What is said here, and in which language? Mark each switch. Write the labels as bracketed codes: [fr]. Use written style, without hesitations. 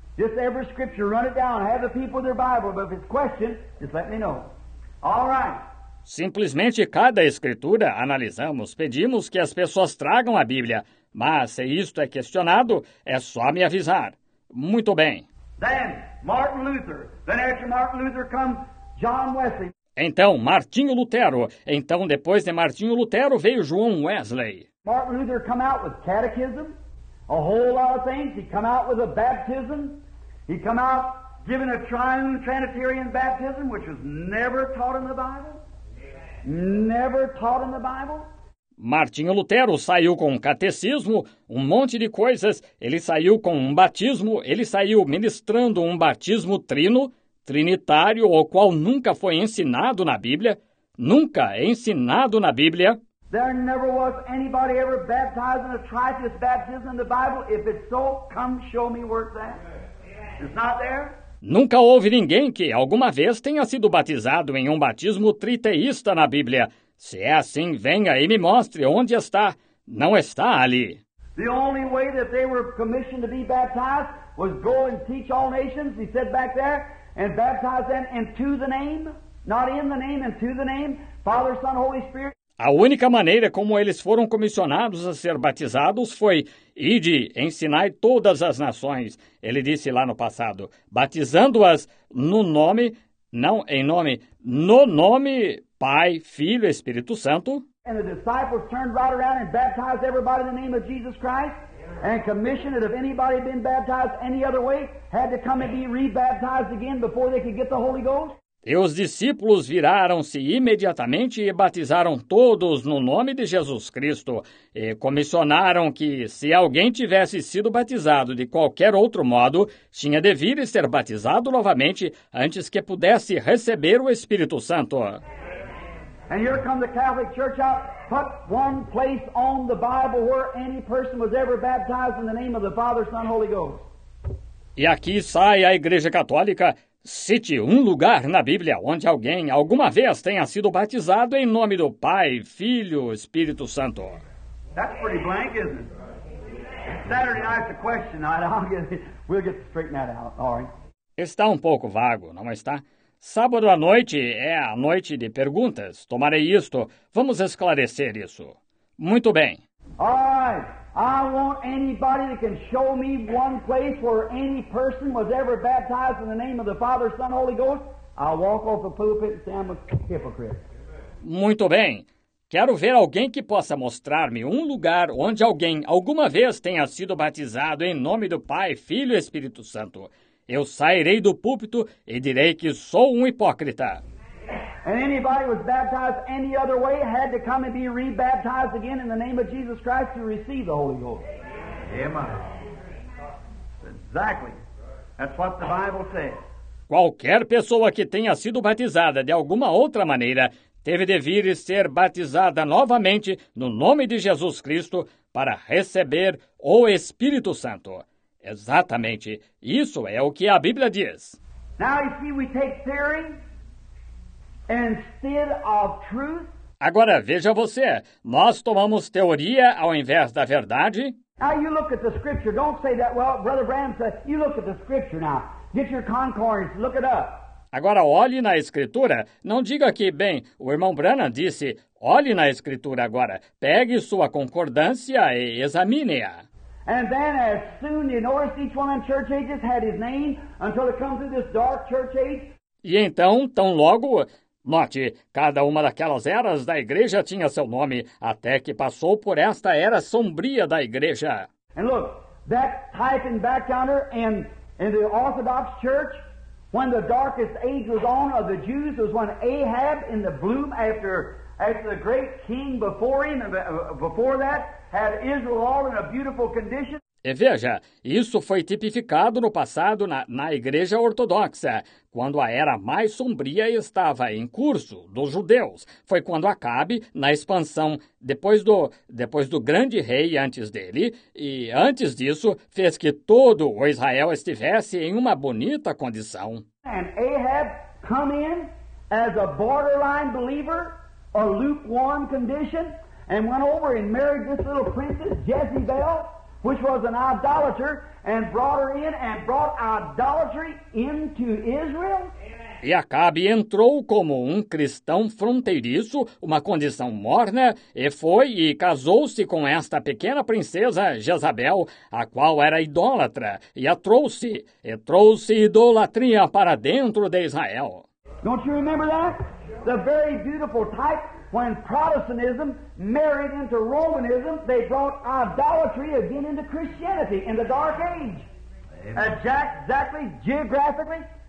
[en] Just every scripture, run it down, have the people with their Bible, but if it's question, just let me know. All right. [pt] Simplesmente cada escritura analisamos, pedimos que as pessoas tragam a Bíblia, mas se isto é questionado, é só me avisar. Muito bem. [en] Then, Martin Luther. Then after Martin Luther comes John Wesley. [pt] Então, Martinho Lutero. Então, depois de Martinho Lutero, veio João Wesley. [en] Martin Luther come out with catechism. A whole lot of things. He come out with a baptism. He come out giving a triune Trinitarian baptism, which was never taught in the Bible. Never taught in the Bible. [pt] Martinho Lutero saiu com um catecismo, um monte de coisas. Ele saiu com um batismo. Ele saiu ministrando um batismo trinitário, o qual nunca foi ensinado na Bíblia. Nunca é ensinado na Bíblia. [en] There never was anybody ever baptized in a tritheist baptism in the Bible. If it's so, come show me where it's at. It's not there. [pt] Nunca houve ninguém que alguma vez tenha sido batizado em um batismo triteísta na Bíblia. Se é assim, venha e me mostre onde está. Não está ali. [en] The only way that they were commissioned to be baptized was go and teach all nations, he said back there, and baptize them into the name, not in the name, into the name, Father, Son, Holy Spirit. [pt] A única maneira como eles foram comissionados a ser batizados foi ide, ensinai todas as nações, ele disse lá no passado, batizando-as no nome, não em nome, no nome Pai, Filho, Espírito Santo. [en] And the disciples turned right around and baptized everybody in the name of Jesus Christ and commissioned that if anybody had been baptized any other way, had to come and be rebaptized again before they could get the Holy Ghost. [pt] E os discípulos viraram-se imediatamente e batizaram todos no nome de Jesus Cristo e comissionaram que, se alguém tivesse sido batizado de qualquer outro modo, tinha de vir e ser batizado novamente antes que pudesse receber o Espírito Santo. [en] And here come the Catholic Church out, put one place on the Bible where any person was ever baptized in the name of the Father, Son, Holy Ghost. [pt] E aqui sai a Igreja Católica. Cite um lugar na Bíblia onde alguém alguma vez tenha sido batizado em nome do Pai, Filho, Espírito Santo. [en] That's pretty blank, isn't it? Saturday night's a question. We'll get to straighten that out. All right. [pt] Está um pouco vago, não está? Sábado à noite é a noite de perguntas. Tomarei isto. Vamos esclarecer isso. Muito bem. [en] All right. I want anybody that can show me one place where any person was ever baptized in the name of the Father, Son, Holy Ghost. I'll walk off the pulpit and say I'm a hypocrite. [pt] Muito bem. Quero ver alguém que possa mostrar-me um lugar onde alguém alguma vez tenha sido batizado em nome do Pai, Filho e Espírito Santo. Eu sairei do púlpito e direi que sou um hipócrita. [en] And anybody was baptized any other way had to come and be rebaptized again in the name of Jesus Christ to receive the Holy Ghost. Amen. Exactly. That's what the Bible says. [pt] Qualquer pessoa que tenha sido batizada de alguma outra maneira teve de vir e ser batizada novamente no nome de Jesus Cristo para receber o Espírito Santo. Exatamente. Isso é o que a Bíblia diz. [en] Now you see we take theory. Instead of truth, [pt] agora veja você, nós tomamos teoria ao invés da verdade. [en] Now you look at the scripture. Don't say that. Well, Brother Bram said, you look at the scripture now. Get your concordance, look it up. [pt] Agora olhe na escritura. Não diga que, bem, o irmão Branham disse, olhe na escritura agora. Pegue sua concordância e examine-a. [en] And then as soon you notice each one in church ages had his name until it comes to this dark church age. [pt] E então, tão logo, note, cada uma daquelas eras da igreja tinha seu nome, até que passou por esta era sombria da igreja. [en] And look, that type in back counter in the Orthodox Church, when the darkest age was on of the Jews, was when Ahab in the bloom after the great king before him, before that, had Israel all in a beautiful condition. [pt] E veja, isso foi tipificado no passado na Igreja Ortodoxa, quando a era mais sombria estava em curso, dos judeus. Foi quando Acabe, na expansão, depois do grande rei antes dele, e antes disso, fez que todo o Israel estivesse em uma bonita condição. [en] And Ahab come in as a borderline believer, a lukewarm condition, and went over and married this little princess, Jezebel, which was an idolater, and brought her in and brought idolatry into Israel. [pt] E Acabe entrou como um cristão fronteiriço, uma condição morna, e foi e casou-se com esta pequena princesa, Jezabel, a qual era idólatra, e trouxe idolatria para dentro de Israel. [en] Don't you remember that? The very beautiful type. When Protestantism married into Romanism, they brought idolatry again into Christianity in the Dark Age. Exactly, geographically.